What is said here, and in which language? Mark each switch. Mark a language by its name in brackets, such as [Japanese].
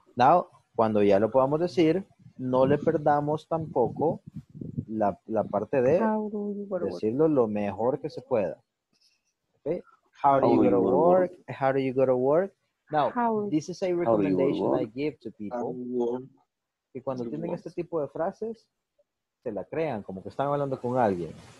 [Spanish] Now, cuando ya lo podamos decir, no le perdamos tampoco la parte de decirlo lo mejor que se pueda. [English] Okay. How do you go to work? How do you go to work? Now, this is a recommendation I give to people. [Spanish] Que cuando tienen este tipo de frases, se la crean, como que están hablando con alguien.